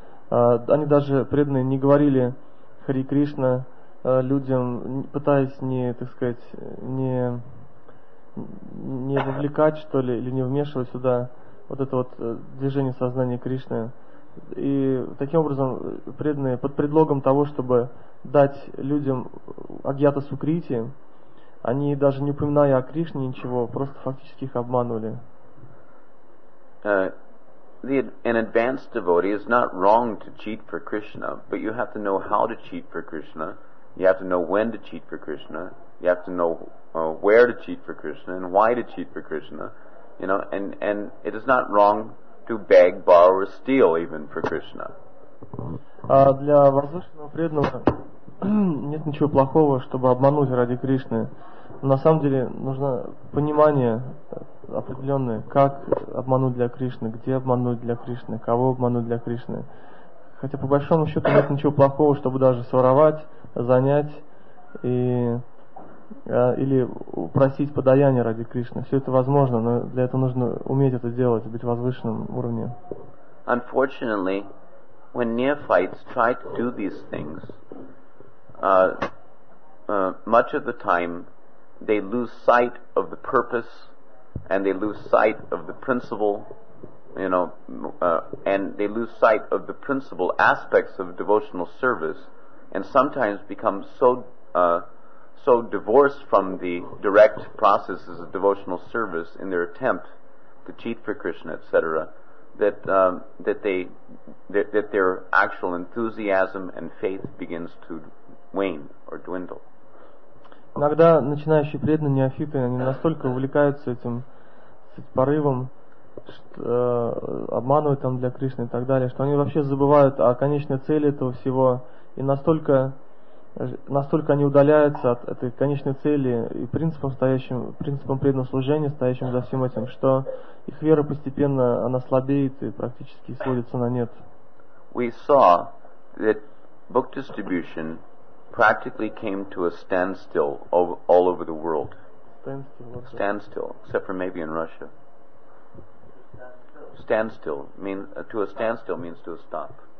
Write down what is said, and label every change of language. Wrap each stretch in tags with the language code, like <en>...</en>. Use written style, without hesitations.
<ru>Они даже, преданные, не говорили Хари Кришна людям, пытаясь не, так сказать, не вовлекать, что ли, или не вмешивать сюда вот это вот движение сознания Кришны. И таким образом преданные под предлогом того, чтобы дать людям агьята сукрити, они даже не упоминая о Кришне ничего, просто фактически их обманывали.</ru> <en>An advanced devotee is not wrong to cheat for Krishna, but you have to know how to cheat for Krishna, you have to know when to cheat for Krishna, you have to know where to cheat for Krishna and why to cheat for Krishna, you know, and it is not wrong to beg, borrow, or steal even for Krishna.</en> <ru>Для возвышенного преданного нет ничего плохого, чтобы обмануть ради Кришны. На самом деле нужно понимание определенное, как обмануть для Кришны, где обмануть для Кришны, кого обмануть для Кришны. Хотя по большому счету нет ничего плохого, чтобы даже своровать, занять или просить подаяние ради Кришны. Все это возможно, но для этого нужно уметь это делать, быть в возвышенном уровне.</ru> <en>Unfortunately, when neophytes try to do these things, much of the time they lose sight of the purpose and they lose sight of the principle, you know, and they lose sight of the principal aspects of devotional service, and sometimes become so so divorced from the direct processes of devotional service in their attempt to cheat for Krishna, etc., that their actual enthusiasm and faith begins to wane or dwindle.</en> <ru>Иногда начинающие преданные неофиты, они настолько увлекаются этим порывом, что обманывают там для Кришны и так далее, что они вообще забывают о конечной цели этого всего, и настолько они удаляются от этой конечной цели и принципом преданного служения, стоящим за всем этим, что их вера постепенно она слабеет и практически сводится на нет.</ru> <en>We saw that book distribution practically came to a standstill all over the world. Standstill, except for maybe in Russia. Standstill means to a standstill means to a stop.</en>